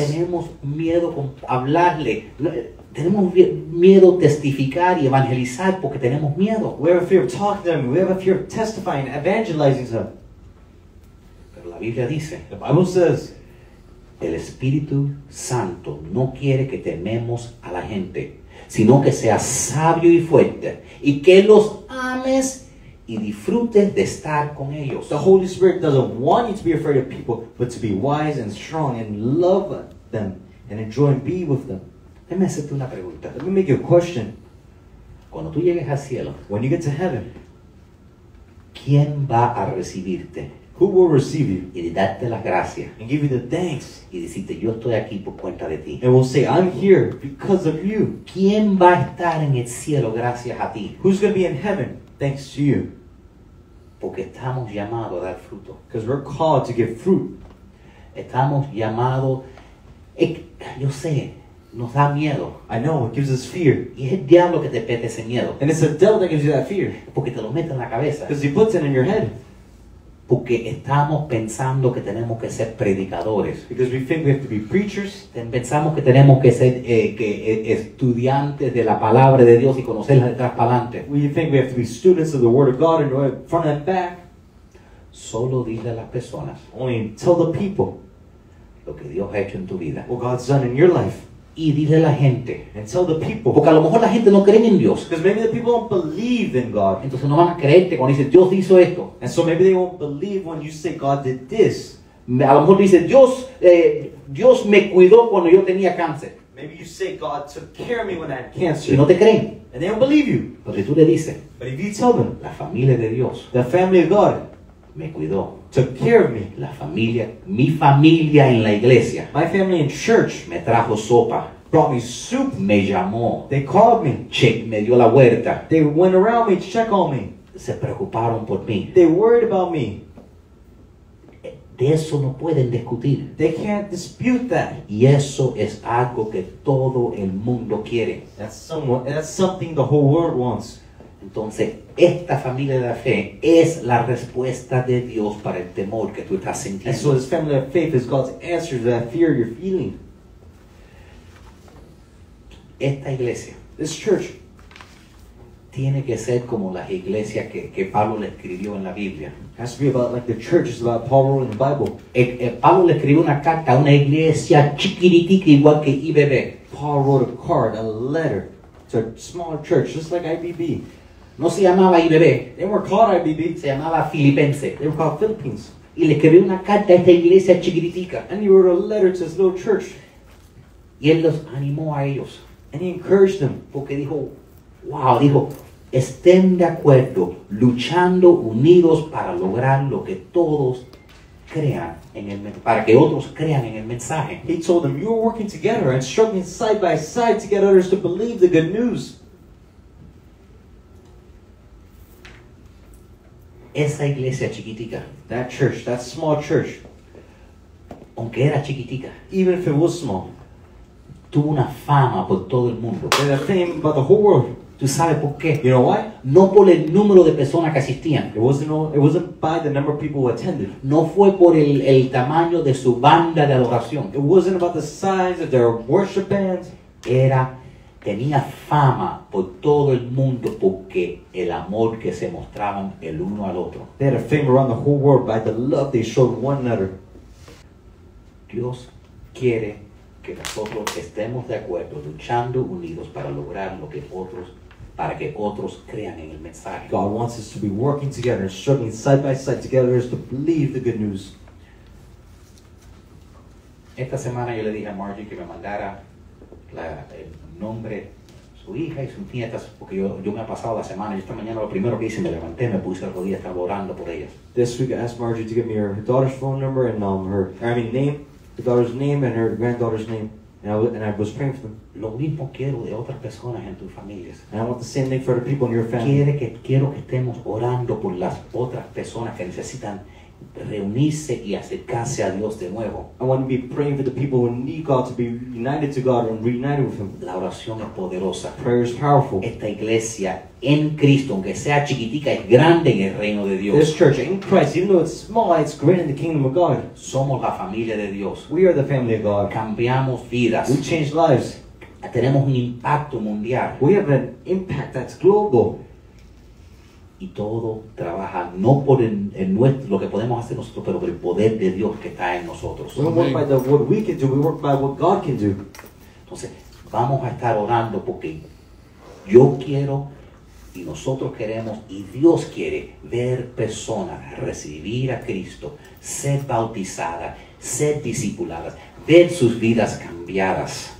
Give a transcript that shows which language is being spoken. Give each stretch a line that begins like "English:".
Spanish: Tenemos miedo con hablarle. Tenemos miedo testificar y evangelizar porque tenemos miedo.
English: We have a fear of talking to them. We have a fear of testifying, evangelizing them.
Spanish: Pero la Biblia dice.
English: The Bible says.
Spanish: El Espíritu Santo no quiere que tememos a la gente, sino que seas sabio y fuerte y que los ames y disfruten de estar con ellos.
English: The Holy Spirit doesn't want you to be afraid of people, but to be wise and strong and love them and enjoy and be with them.
Spanish: Déjame hacerte una pregunta.
English: Let me make you a question.
Spanish: Cuando tú llegues al cielo,
English: when you get to heaven,
Spanish: ¿quién va a recibirte?
English: Who will receive you?
Spanish: Y darte las gracias.
English: And give you the thanks.
Spanish: Y decirte, yo estoy aquí por cuenta de ti.
English: And will say, I'm here because of you.
Spanish: ¿Quién va a estar en el cielo gracias a ti?
English: Who's going to be in heaven? Thanks to you.
Spanish: Porque estamos llamados a dar fruto.
English: Because we're called to give fruit.
Spanish: Estamos llamados. Yo sé, nos da miedo.
English: I know, it gives us fear.
Spanish: Y es el diablo que te mete ese miedo.
English: And it's the devil that gives you that fear.
Spanish: Porque te lo mete en la cabeza.
English: Because he puts it in your head.
Spanish: Porque estamos pensando que tenemos que ser predicadores.
English: Because we think we have to be preachers.
Spanish: Pensamos que tenemos que ser estudiantes de la palabra de Dios y conocerla de atrás para adelante.
English: We think we have to be students of the word of God and know it front and back.
Spanish: Solo dile a las personas.
English: Only tell the people.
Spanish: Lo que Dios ha hecho en tu vida.
English: What God's done in your life.
Spanish: Y dile a la gente.
English: And tell the people.
Spanish: Porque a lo mejor la gente no cree en Dios.
English: Because maybe the people don't believe in God.
Spanish: Entonces no van a creerte cuando dices Dios hizo esto.
English: And so maybe they won't believe when you say God did this.
Spanish: A lo mejor dices Dios me cuidó cuando yo tenía cáncer.
English: Maybe you say God took care of me when I had cancer.
Spanish: Y no te creen.
English: And they don't believe you.
Spanish: Pero si tú le dices.
English: But if you tell them.
Spanish: La familia de Dios.
English: The family of God.
Spanish: Me cuidó.
English: Took care of me.
Spanish: La familia, mi familia en la iglesia.
English: My family in church.
Spanish: Me trajo sopa.
English: Brought me soup.
Spanish: Me llamó.
English: They called me.
Spanish: Me dio la vuelta.
English: They went around me to check on me.
Spanish: Se preocuparon por mí.
English: They worried about me.
Spanish: De eso no pueden discutir.
English: They can't dispute that.
Spanish: Y eso es algo que todo el mundo quiere.
English: That's something the whole world wants.
Spanish: Entonces, esta familia de la fe es la respuesta de Dios para el temor que tú estás sintiendo.
English: So this family of faith is God's answer to that fear you're feeling.
Spanish: Esta iglesia,
English: this church,
Spanish: tiene que ser como las iglesias que Pablo le escribió en la Biblia.
English: It has to be about like the churches that Paul wrote in the Bible.
Spanish: Pablo le escribió una carta a una iglesia chiquitita igual que IBB.
English: Paul wrote a card, a letter, to a smaller church, just like IBB.
Spanish: No se llamaba IBB.
English: They were called IBB.
Spanish: Se llamaba Filipense.
English: They were called Philippines.
Spanish: Y le escribió una carta a esta iglesia chiquitica.
English: And he wrote a letter to this little church.
Spanish: Y él los animó a ellos.
English: And he encouraged them.
Spanish: Porque dijo, wow, dijo, estén de acuerdo, luchando unidos para lograr lo que todos crean en el mensaje. Para que otros crean en el mensaje.
English: He told them, you are working together and struggling side by side to get others to believe the good news.
Spanish: Esa iglesia chiquitica.
English: That church, that small church.
Spanish: Aunque era chiquitica.
English: Even if it was small.
Spanish: Tuvo una fama por todo el mundo.
English: They had a fame about the whole world.
Spanish: ¿Tú sabes por qué?
English: You know why?
Spanish: No por el número de personas que asistían.
English: It wasn't by the number of people who attended.
Spanish: No fue por el tamaño de su banda de adoración.
English: It wasn't about the size of their worship bands.
Spanish: Tenía fama por todo el mundo porque el amor que se mostraban el uno al otro.
English: They had a fame around the whole world by the love they showed one another.
Spanish: Dios quiere que nosotros estemos de acuerdo, luchando unidos para lograr lo que otros, para que otros crean en el mensaje.
English: God wants us to be working together, struggling side by side together to believe the good news.
Spanish: Esta semana yo le dije a Margie que me mandara el nombre, su hija y sus nietas, porque yo me ha pasado la semana, y esta mañana lo primero que hice, me levanté, me puse a rodillas, estaba orando por ellas.
English: This week I asked Margie to give me her daughter's phone number and name, the daughter's name and her granddaughter's name, and I was praying for them.
Spanish: Lo mismo quiero de otras personas en tus familias.
English: And I want the same thing for the people in your family.
Spanish: Quiero que estemos orando por las otras personas que necesitan reunirse y acercarse a Dios de nuevo.
English: I want to be praying for the people who need God to be united to God and reunited with Him.
Spanish: La oración es poderosa.
English: Prayer is powerful.
Spanish: Esta iglesia en Cristo, aunque sea chiquitica, es grande en el reino de Dios.
English: This church in Christ, even though it's small, it's great in the kingdom of God.
Spanish: Somos la familia de Dios.
English: We are the family of God.
Spanish: Cambiamos vidas.
English: We change lives.
Spanish: Tenemos un impacto mundial.
English: We have an impact that's global.
Spanish: Y todo trabaja no por el nuestro, lo que podemos hacer nosotros, pero por el poder de Dios que está en nosotros.
English: We don't work by what we can do, we work by what God can do.
Spanish: Entonces, vamos a estar orando porque yo quiero y nosotros queremos y Dios quiere ver personas recibir a Cristo, ser bautizadas, ser discipuladas, ver sus vidas cambiadas.